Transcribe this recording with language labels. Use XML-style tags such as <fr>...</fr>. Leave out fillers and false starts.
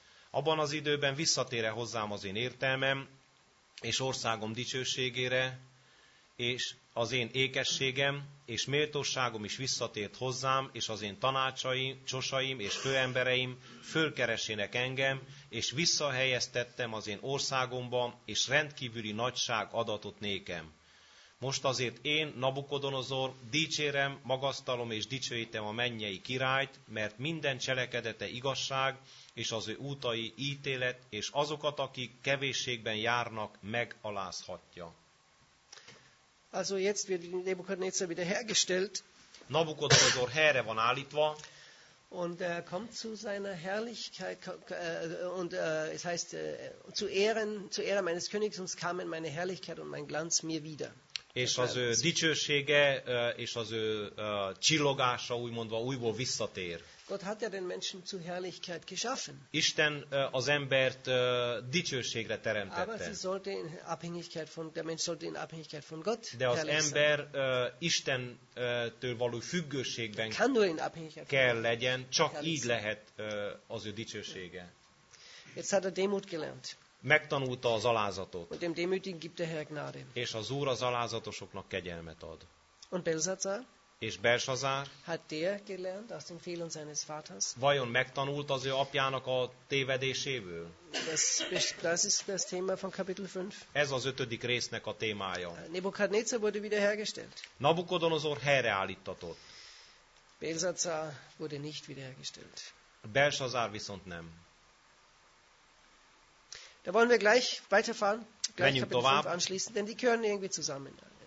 <hu>Abban az időben visszatér-e hozzám az én értelmem, és országom dicsőségére, és az én ékességem, és méltóságom is visszatért hozzám, és az én tanácsaim, csosaim és főembereim fölkeresének engem, és visszahelyeztettem az én országomba, és rendkívüli nagyság adatot nékem. Most azért én, Nabukodonozor, dicsérem, magasztalom és dicsőítem a mennyei királyt, mert minden cselekedete igazság, és az ő útai ítélet, és azokat, akik kevésségben járnak, megalázhatja.</hu> <de>Also jetzt wird Nebukadnezar wieder hergestellt.</de> <hu>Nabukodonozor helyre van állítva.</hu> <de>Und er kommt zu seiner Herrlichkeit und es heißt zu Ehren meines Königs und kam in meine Herrlichkeit und mein Glanz mir wieder.</de> <hu>És az ő dicsősége és az ő csillogása úgymondva újból visszatér.</hu> <de>Gott hat ja den Menschen zu Herrlichkeit geschaffen.</de> <hu>Isten az embert dicsőségre teremtette.</hu> <de>Aber sie sollte in Abhängigkeit von der Mensch sollte in Abhängigkeit von Gott.</de> <hu>De az ember Istentől való függőségben kell legyen, csak így lehet az ő dicsősége.</hu> <de>Jetzt hat er Demut gelernt.</de> <hu>Megtanulta az alázatot.</hu> <de>Und dem Demütigen gibt der Herr Gnade.</de> <hu>És az Úr az alázatosoknak kegyelmet ad.</hu> <de>Und Belsazar?</de> <hu>És Belsazar?</hu> <de>Hat der gelernt aus dem Fehlern seines Vaters?</de> <hu>Vajon megtanult az ő apjának a tévedéséből?</hu> <de>Das ist das Thema von Kapitel 5.</de> <hu>Ez az ötödik résznek a témája.</hu> <de>Nebukadnezar wurde wiederhergestellt.</de> <hu>Nabukodonozor helyreállítatott.</hu> <de>Belsazar wurde nicht wiederhergestellt.</de> <hu>Belsazar viszont nem.</hu> <de>Da wollen wir gleich weiterfahren, gleich Kapitel 5 anschließen, denn die gehören irgendwie zusammen.</de>